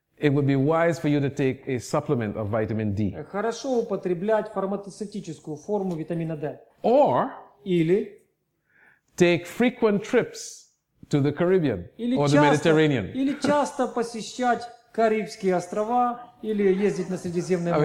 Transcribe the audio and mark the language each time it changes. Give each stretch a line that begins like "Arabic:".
English: it would be wise for you to take a supplement of vitamin D.
Russian: Хорошо употреблять фармацевтическую форму витамина D.
English: Or
Russian: или
English: take frequent trips to the Caribbean
Russian: или
English: or
Russian: часто,
English: the Mediterranean.
Russian: Или часто посещать Карибские острова или ездить на Средиземное море.